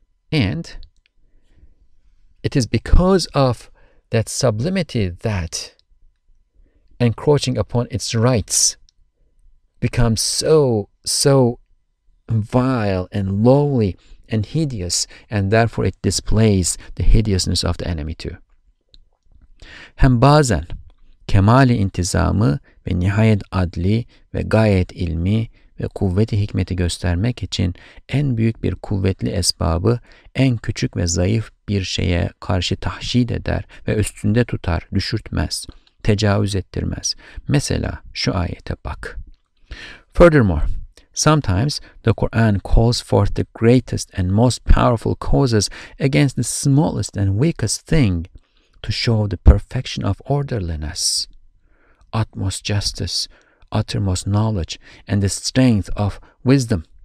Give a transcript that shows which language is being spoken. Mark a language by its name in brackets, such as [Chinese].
[English] And it is because of that sublimity that encroaching upon its rights becomes so vile and lowly and hideous, and therefore it displays the hideousness of the enemy too. [Turkish] Hem bazen kemali intizamı ve nihayet adli ve gayet ilmi ve kuvveti hikmeti göstermek için en büyük bir kuvvetli esbabı en küçük ve zayıf bir şeye karşı tahşid eder ve üstünde tutar, düşürtmez, tecavüz ettirmez. Mesela şu ayete bak. [English] Furthermore, sometimes the Quran calls forth the greatest and most powerful causes against the smallest and weakest thing to show the perfection of orderliness, utmost justice, uttermost knowledge, and the strength of wisdom.